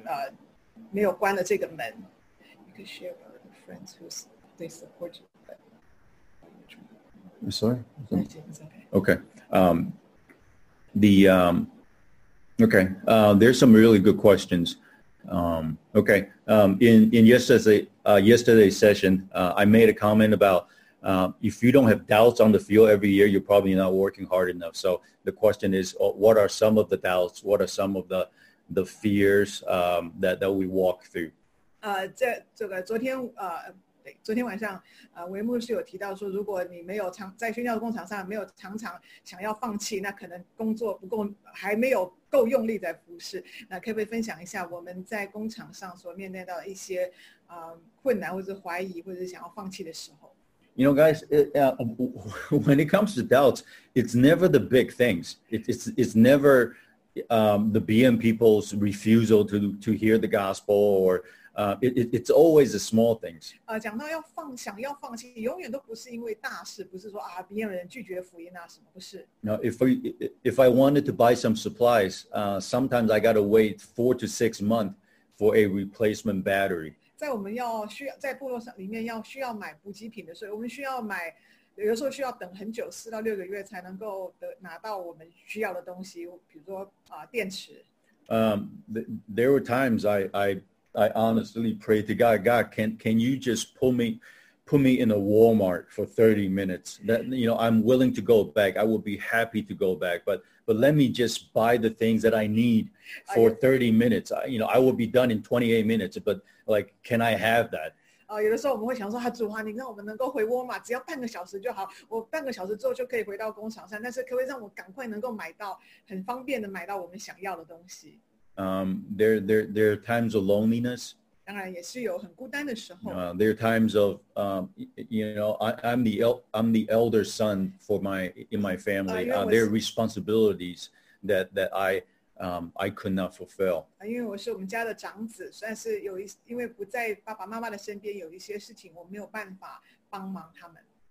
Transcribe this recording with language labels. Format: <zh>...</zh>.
<zh>这个不是一个绝对的决定，不是说每一个人都一定要生了病还是要留下来，但是我们很清楚知道神没有告诉我们，或是没有关了这个门。</zh> <en>You can share with other friends they support you. There's some really good questions. In yesterday's session, I made a comment about if you don't have doubts on the field every year, you're probably not working hard enough. So the question is, what are some of the doubts? What are some of the fears that we walk through?</en> <zh>这个昨天对，昨天晚上维牧师有提到说，如果你没有常在宣教工厂上没有常常想要放弃，那可能工作不够，还没有够用力在服侍。那可不可以分享一下我们在工厂上所面对到的一些困难，或者是怀疑，或者是想要放弃的时候？</zh> <en>You know, guys, when it comes to doubts, it's never the big things. It's never the BM people's refusal to hear the gospel, or it's always the small things.</en> <zh>讲到要放想要放弃，永远都不是因为大事，不是说啊 BM 人拒绝福音啊什么，不是。</zh> <en>No, if I wanted to buy some supplies, sometimes I got to wait 4 to 6 months for a replacement battery.</en> <zh>在我们要需要在部落上里面要需要买补给品的时候，我们需要买，有的时候需要等很久，4到6个月才能够得拿到我们需要的东西，比如说电池。</zh> <en>There were times I honestly prayed to God, can you just put me in a Walmart for 30 minutes? That, you know, I'm willing to go back. I would be happy to go back, but let me just buy the things that I need for 30 minutes. You know, I will be done in 28 minutes, but like, can I have that?</en> <zh>有的时候我们会想说，主啊，你让我们能够回沃尔玛，只要半个小时就好，我半个小时之后就可以回到工厂上，但是可不可以让我赶快能够买到，很方便的买到我们想要的东西？</zh> <en>There are times of loneliness.</en> <zh>当然也是有很孤单的时候。</zh> <en>There are times of, you know, I'm the elder son in my family. There are responsibilities that I could not fulfill.</en> <zh>因为我是我们家的长子，但是有一因为不在爸爸妈妈的身边，有一些事情我没有办法帮忙他们。</zh>